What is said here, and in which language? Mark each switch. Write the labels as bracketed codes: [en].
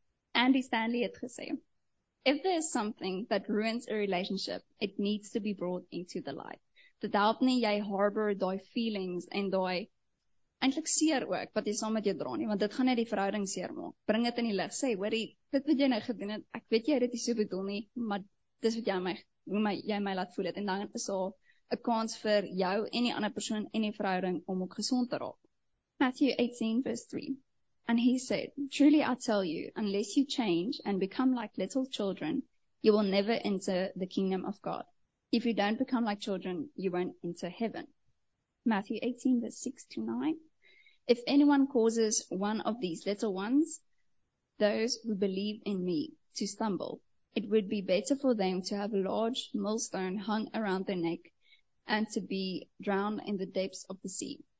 [en] Andy Stanley [af] het gesê, [en] if there is something that ruins a relationship, it needs to be brought into the light. [af] Dit help nie, jy harbor die feelings, en die, eintlik seer ook, wat jy saam met jou dra nie, want dit gaan net die verhouding seer maak. Bring dit in die lig, sê, hoorie, dit wat jy nou gedoen het, ek weet jy het dit nie so bedoel nie, maar dis wat jy my, hoe my, jy my laat voel het, en dan is al een kans vir jou en die ander persoon en die verhouding om ook gezond te raak. [en] Matthew 18 verse 3, and he said, truly I tell you, unless you change and become like little children, you will never enter the kingdom of God. If you don't become like children, you won't enter heaven. Matthew 18 verse 6 to 9, if anyone causes one of these little ones, those who believe in me, to stumble, it would be better for them to have a large millstone hung around their neck and to be drowned in the depths of the sea.